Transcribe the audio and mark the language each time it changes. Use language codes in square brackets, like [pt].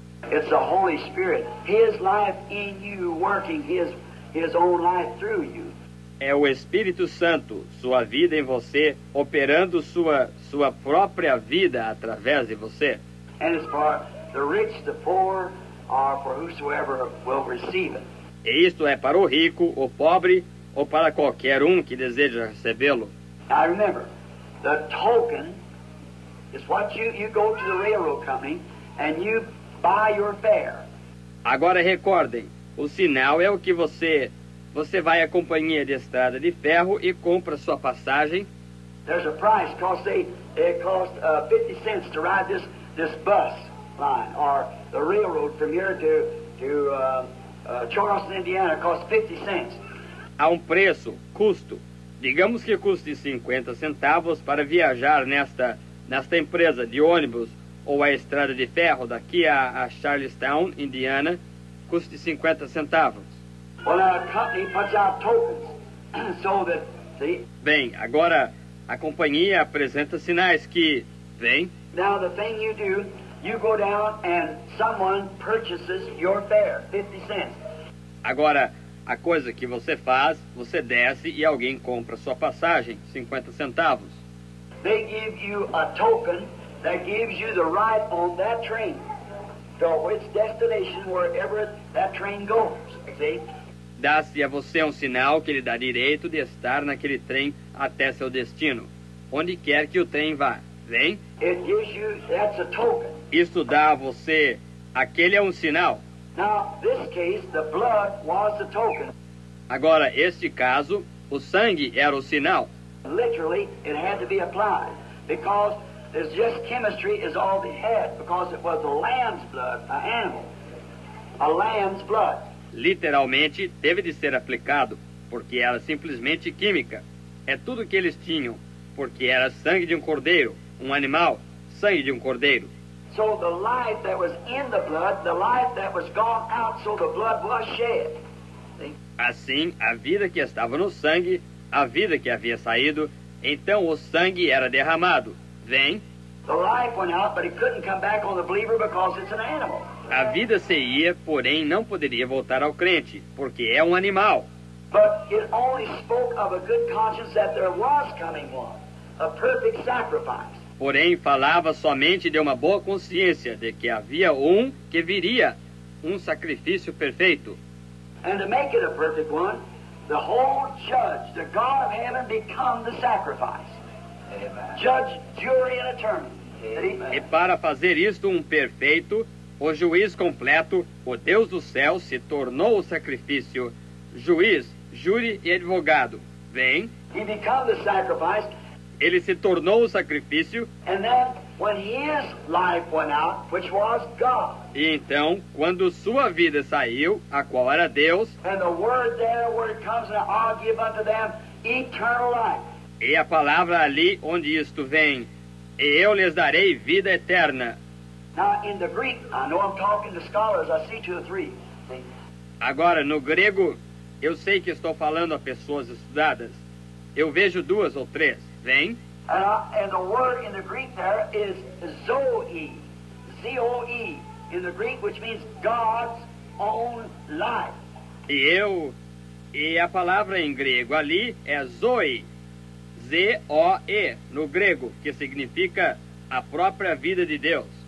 [en] It's the Holy Spirit, His life in you, working His own life through you. [pt] É o Espírito Santo, sua vida em você, operando sua própria vida através de você. [en] And it's for the rich, the poor, or for whosoever will receive it. [pt] E isto é para o rico, o pobre, ou para qualquer um que deseja recebê-lo. [en] I remember. The token is what you go to the railroad company and you buy your fare. [pt] Agora recordem, o sinal é o que você vai à companhia de estrada de ferro e compra sua passagem. [en] There's a price cost, say, it cost 50 cents to ride this bus line or the railroad from here to Charleston, Indiana, cost 50 cents. [pt] Há um preço, custo. Digamos que custe 50 centavos para viajar nesta empresa de ônibus ou a estrada de ferro daqui a Charlestown, Indiana, custe 50 centavos. [en] Well, a company puts out tokens so that, see? [pt] Bem, agora a companhia apresenta sinais que vem. [en] Now the thing you do, you go down and someone purchases your fare, 50 cents. [pt] Agora, a coisa que você faz, você desce e alguém compra sua passagem, 50 centavos. [en] They give you a token that gives you the ride on that train to its destination wherever that train goes, see? [pt] Dá-se a você um sinal que lhe dá direito de estar naquele trem até seu destino, onde quer que o trem vá, vem? [en] It gives you, that's a token. [pt] Isto dá a você, aquele é um sinal. [en] Now, this case, the blood was the token. [pt] Agora, este caso, o sangue era o sinal. [en] Literally, it had to be applied because it's just chemistry is all they had because it was a lamb's blood, a animal, a lamb's blood. [pt] Literalmente, teve de ser aplicado porque era simplesmente química. É tudo que eles tinham porque era sangue de um cordeiro, um animal, sangue de um cordeiro. [en] So the life that was in the blood, the life that was gone out, so the blood was shed. [pt] Assim, a vida que estava no sangue, a vida que havia saído, então o sangue era derramado. Vem. [en] The life went out, but it couldn't come back on the believer because it's an animal. [pt] A vida se ia, porém não poderia voltar ao crente, porque é um animal. [en] But it only spoke of a good conscience that there was coming one, a perfect sacrifice. [pt] Porém, falava somente de uma boa consciência, de que havia um que viria, um sacrifício perfeito. [en] And to make it a perfect one, the whole judge, the God of heaven, become the sacrifice. Amen. Judge, jury, and attorney. Amen. [pt] E para fazer isto um perfeito, o juiz completo, o Deus do céu, se tornou o sacrifício. Juiz, júri e advogado. Vem. [en] He become the sacrifice. [pt] Ele se tornou o sacrifício. [en] And then when his life went out, which was God. [pt] E então, quando sua vida saiu, a qual era Deus, [en] and the word there where it comes out, I'll give unto them eternal life. [pt] E a palavra ali onde isto vem, e eu lhes darei vida eterna. [en] Now in the Greek, I know I'm talking to scholars, I see two or three. [pt] Agora, no grego, eu sei que estou falando a pessoas estudadas. Eu vejo duas ou três. Vem. [en] And the word in the Greek there is zoe. Z-O-E. In the Greek, which means God's own life. [pt] E a palavra em grego ali é zoe. Z-O-E. No grego, que significa a própria vida de Deus.